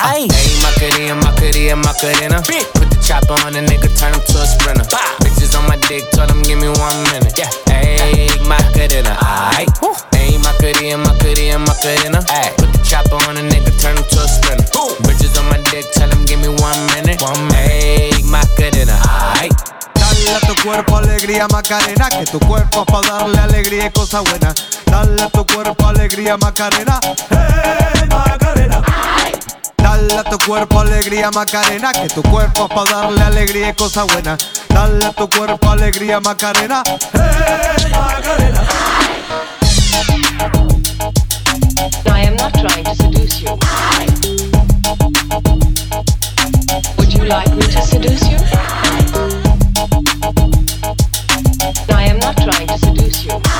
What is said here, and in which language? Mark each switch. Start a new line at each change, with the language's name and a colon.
English: Hey, my Macarena, Macarena, Macarena. Put the chopper on a nigga, turn him to a sprinter. Bah. Bitches on my dick, tell him give me 1 minute. Ayy, Macarena, ayy. Ayy, Macarena, Macarena, Macarena. Put the chopper on a nigga, turn him to a sprinter. Ooh. Bitches on my dick, tell him give me 1 minute. Ayy, Macarena, ayy.
Spanish: Dale a tu cuerpo alegría, Macarena, que tu cuerpo es pa' darle alegría y cosa buena. Dale a tu cuerpo alegría, Macarena. Ayy, Macarena, ayy. Dale a tu cuerpo alegría, Macarena, que tu cuerpo es pa' darle alegría y cosa buena. Dale a tu cuerpo alegría, Macarena. Hey, Macarena.
English: No, I am not trying to seduce you. Would you like me to seduce you? No, I am not trying to seduce you.